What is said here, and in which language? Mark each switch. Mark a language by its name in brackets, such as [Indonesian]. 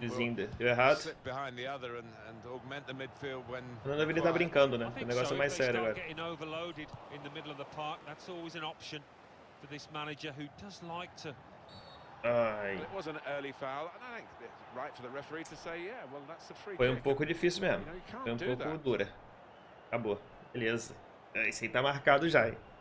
[English] will slip behind the other and augment the midfield when. [Portuguese] Não deveria estar brincando, né? O negócio é mais sério agora. [English] Getting overloaded in the middle of the park, that's always an option for this manager who does like to. Ai. It was an early foul, and I think it's right for the referee to say, yeah, well, that's a free kick. [Portuguese] Foi um pouco difícil mesmo. Foi um pouco dura. Acabou. Beleza. Esse aí tá marcado já.